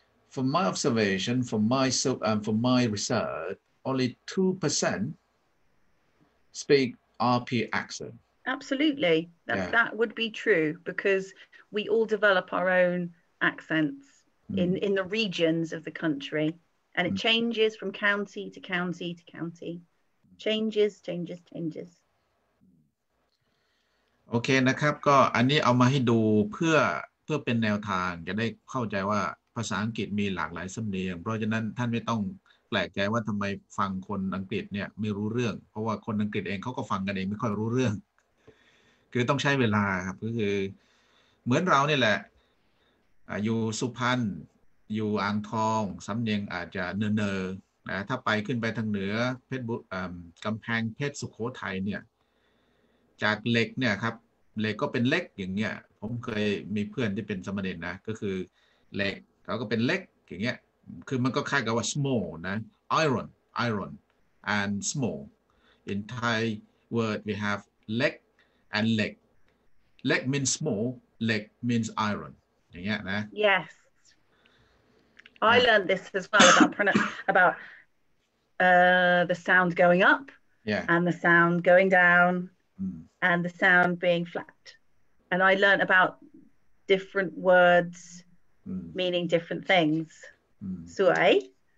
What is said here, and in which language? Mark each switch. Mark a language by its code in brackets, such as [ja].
[en] for my observation, for my so and for my research, only 2% speak RP accent. Absolutely. That Yeah. would be true because we all develop our own accents in the regions of the country, and it changes from county to county to county. changes changes changes [th] โอเคนะครับก็อันนี้เอามาให้ดูเพื่อเป็นแนวทางจะได้เข้าใจว่าภาษาอังกฤษมีหลากหลายสำเนียงเพราะฉะนั้นท่านไม่ต้องแปลกใจว่าทำไมฟังคนอังกฤษเนี่ยไม่รู้เรื่องเพราะว่าคนอังกฤษเองเขาก็ฟังกันเองไม่ค่อยรู้เรื่องคือต้องใช้เวลาครับก็คือเหมือนเราเนี่ยแหละ อยู่สุพรรณอยู่อ่างทองสำเนียงอาจจะเนอร์ๆนะถ้าไปขึ้นไปทางเหนือเพชรบุกำแพงเพชรสุโขทัยเนี่ย จากเหล็กเนี่ยครับเหล็กก็เป็นเล็กอย่างเงี้ยผมเคยมีเพื่อนที่เป็นสมณเณรนะก็คือเหล็กเขาก็เป็นเล็กอย่างเงี้ยคือมันก็คล้ายกับว่า small นะ [en] iron and small in Thai word we have leg and leg leg means small leg means iron [th] อย่างเงี้ยนะ [en] yes I learned this as well about about the sound going up yeah and the sound going down and the sound being flat and I learned about different words meaning different things Suay.